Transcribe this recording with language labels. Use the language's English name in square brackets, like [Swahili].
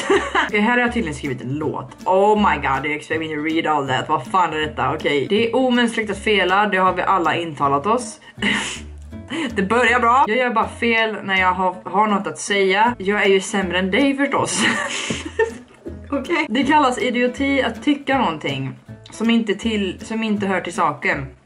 [Swedish] Okej, okay, här har jag tydligen skrivit en låt. [English] Oh my god, you expect me to read all that. [Swedish] Vad fan är detta? Okej. Okay. Det är omänskligt att fela, det har vi alla intalat oss. Det börjar bra. Jag gör bara fel när jag har något att säga. Jag är ju sämre än dig förstås. Okej. Okay. Det kallas idioti att tycka någonting som inte hör till saken.